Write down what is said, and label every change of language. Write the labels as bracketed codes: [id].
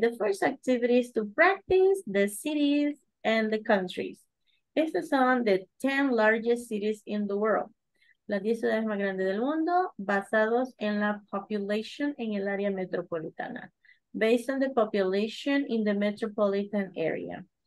[en] The first activity is to practice the cities and the countries. [es] Estas son [en] the 10 largest cities in the world. [es] Las 10 ciudades más grandes del mundo basados en la population en el área metropolitana. [en] Based on the population in the metropolitan area.